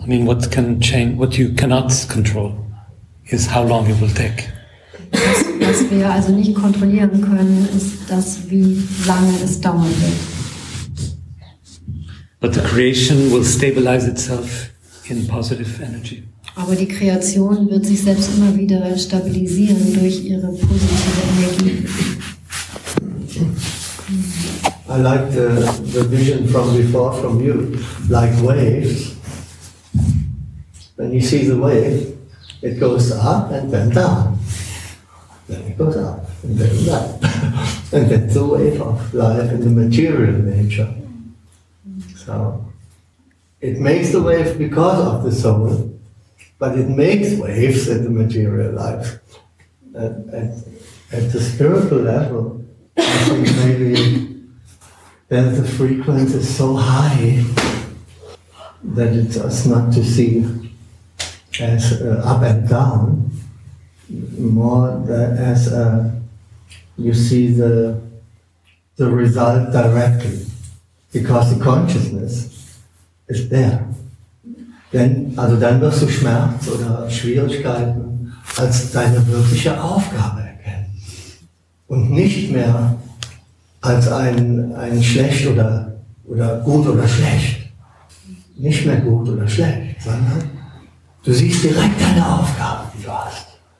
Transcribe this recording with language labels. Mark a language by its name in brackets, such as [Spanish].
[English] I mean, what can change, what you cannot control is how long it will take. [German] Was wir also nicht kontrollieren können, ist das, wie lange es dauern wird. [English] But the creation will stabilize itself in positive energy. [German] Aber die Kreation wird sich selbst immer wieder stabilisieren durch ihre positive Energie. [English] I like the vision from before from you, like waves. When you see the wave, it goes up and then down. Then it goes up and then down. And that's the wave of life in the material nature. So it makes the wave because of the soul, but it makes waves in the material life. At the spiritual level, I think maybe then the frequency is so high that it's us not to see as up and down, more that as you see the result directly, because the consciousness is there. [German] Denn, also dann wirst du Schmerz oder Schwierigkeiten als deine wirkliche Aufgabe erkennen und nicht mehr als ein schlecht oder gut oder schlecht. Nicht mehr gut oder schlecht, sondern du siehst direkt deine Aufgabe, die du hast.